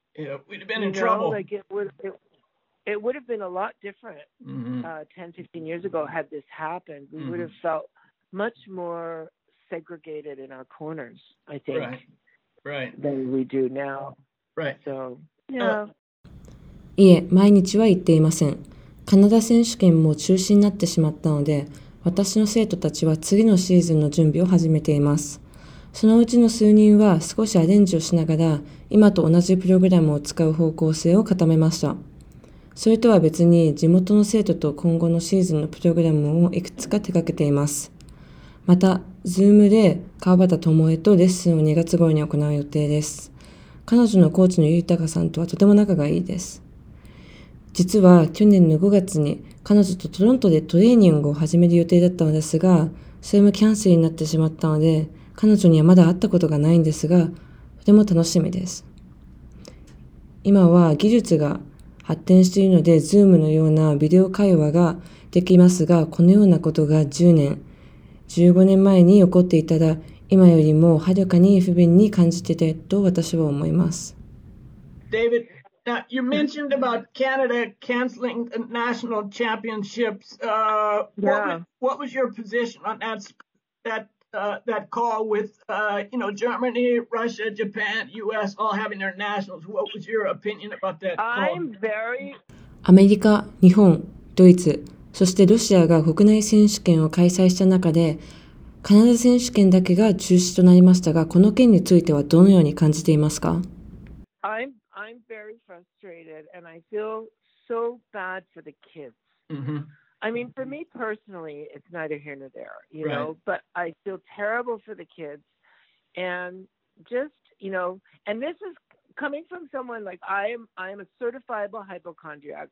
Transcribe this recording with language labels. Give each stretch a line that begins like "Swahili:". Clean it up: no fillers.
English: Yeah, we'd have been in trouble. Like it would have been a lot different 10, 15 years ago had this happened. We would have felt much more segregated in our corners, I think, than we do now. Right. So, yeah.
Japanese: いえ、毎日は行っていません。カナダ選手権も中止になってしまったので、私の生徒たちは次のシーズンの準備を始めています。そのうちの数人は少しアレンジをしながら、今と同じプログラムを使う方向性を固めました。それとは別に、地元の生徒と今後のシーズンのプログラムをいくつか手掛けています。また、Zoom で川端智恵とレッスンを2月頃に行う予定です。彼女のコーチの豊さんとはとても仲がいいです。実は去年の5月に彼女とトロントでトレーニングを始める予定だったのですが、それもキャンセルになってしまったので、彼女にはまだ会ったことがないんですが、とても楽しみです。今は技術が発展しているので、Zoom のようなビデオ会話ができますが、このようなことが10年、15年前に起こっていたら、今よりもはるかに不便に感じていたと私は思います。
English: David, Now, you mentioned about Canada canceling the national championships. What was your position on that call with Germany, Russia, Japan, U.S. all having their nationals? What was your opinion about that call?
Japanese: アメリカ、日本、ドイツ、そしてロシアが国内選手権を開催した中で、カナダ選手権だけが中止となりましたが、この件についてはどのように感じていますか？
English: I'm very frustrated and I feel so bad for the kids. Mm-hmm. I mean, for me personally, it's neither here nor there, you right. know, but I feel terrible for the kids. And just, you know, and this is coming from someone like I am a certifiable hypochondriac.